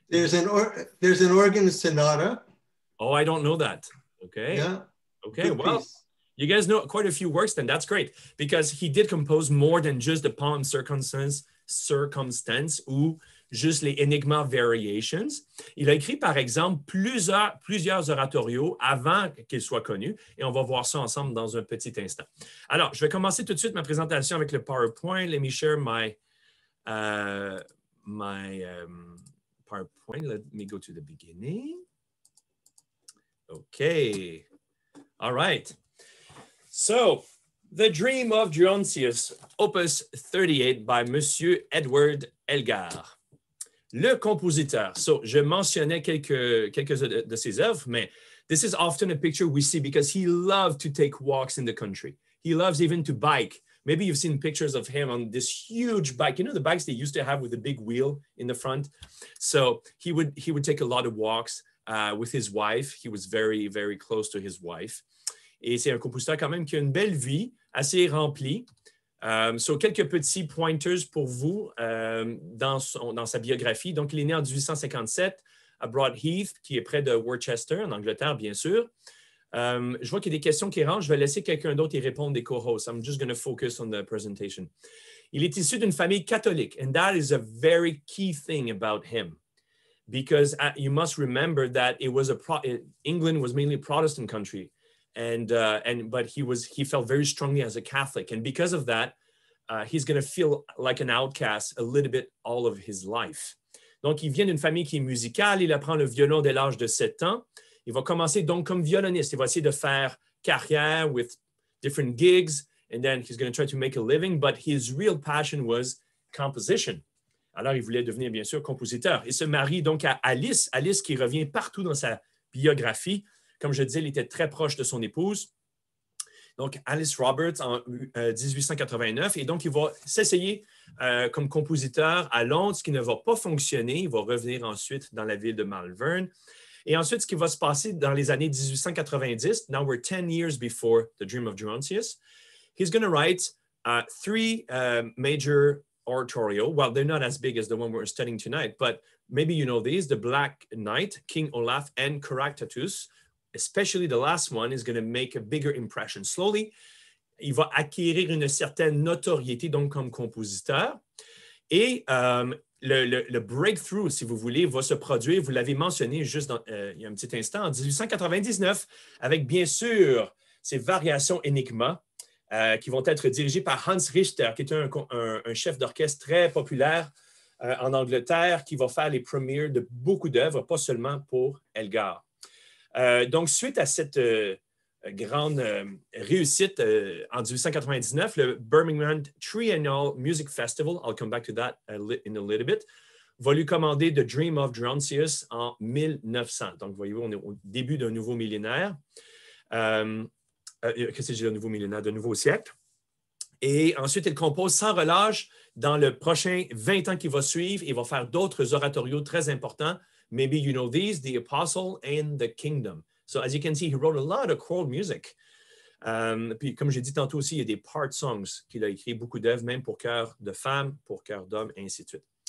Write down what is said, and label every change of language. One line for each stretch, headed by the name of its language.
English: There's an organ sonata. Oh, I don't know that. Okay. Yeah. Okay. Good well, piece. You guys know quite a few works then. That's great. Because he did compose more than just the poem Circumstance
French: ou juste les Enigma Variations. Il a écrit, par exemple, plusieurs oratorios avant qu'il soit connu. Et on va voir ça ensemble dans un petit instant. Alors, je vais commencer tout de suite ma présentation avec le PowerPoint.
English: Let me share my PowerPoint. Let me go to the beginning. Okay. All right. So, The Dream of Gerontius, Opus 38 by Monsieur Edward Elgar.
French: Le compositeur.
English: So,
French: je mentionnais quelques de ses œuvres, mais
English: this is often a picture we see because he loved to take walks in the country. He loves even to bike. Maybe you've seen pictures of him on this huge bike. You know the bikes they used to have with the big wheel in the front? So he would take a lot of walks with his wife. He was very, very close to his wife.
French: Et c'est un compositeur quand même qui a une belle vie, assez remplie. So quelques petits pointers pour vous dans sa biographie. Donc il est né en 1857 à Broadheath, qui est près de Worcester, en Angleterre, bien sûr. Je vois qu'il y a des questions qui rentrent. Je vais laisser quelqu'un d'autre y répondre des co-hosts.
English: I'm just going to focus on the presentation.
French: Il est issu d'une famille catholique,
English: and that is a very key thing about him, because you must remember that England was mainly a Protestant country, but he felt very strongly as a Catholic, and because of that, he's going to feel like an outcast a little bit all of his life.
French: Donc, il vient d'une famille qui est musicale. Il apprend le violon dès l'âge de 7 ans. Il va commencer donc comme violoniste. Il va essayer de faire carrière
English: with different gigs, and then he's going to try to make a living, but his real passion was composition.
French: Alors, il voulait devenir, bien sûr, compositeur. Il se marie donc à Alice. Alice qui revient partout dans sa biographie. Comme je disais, il était très proche de son épouse. Donc, Alice Roberts en 1889. Et donc, il va s'essayer comme compositeur à Londres, ce qui ne va pas fonctionner. Il va revenir ensuite dans la ville de Malvern. Et ensuite, ce qui va se passer dans les années 1890,
English: now we're 10 years before The Dream of Gerontius, he's going to write three major oratorio. Well, they're not as big as the one we're studying tonight, but maybe you know these, The Black Knight, King Olaf, and Caractacus, especially the last one, is going to make a bigger impression.
French: Slowly, il va acquérir une certaine notoriété, donc comme compositeur. Et le breakthrough, si vous voulez, va se produire, vous l'avez mentionné juste dans, il y a un petit instant, en 1899, avec bien sûr ces variations Enigma, qui vont être dirigées par Hans Richter, qui est un chef d'orchestre très populaire en Angleterre, qui va faire les premières de beaucoup d'œuvres, pas seulement pour Elgar. Donc, suite à cette grande réussite en 1899, le Birmingham Triennial Music Festival,
English: I'll come back to that in a little bit,
French: va lui commander The Dream of Gerontius en 1900. Donc, voyez-vous, on est au début d'un nouveau millénaire. Qu'est-ce que j'ai dit, un nouveau millénaire, de nouveau siècle. Et ensuite, il compose sans relâche dans le prochain 20 ans qui va suivre. Il va faire d'autres oratorios très importants.
English: Maybe you know these, The Apostle and The Kingdom. So as you can see, he wrote a lot of choral music.
French: Puis comme j'ai dit tantôt aussi, il y a des part songs qu'il a écrit, beaucoup d'œuvres, même pour cœur de femme, pour cœur d'homme, et ainsi de suite.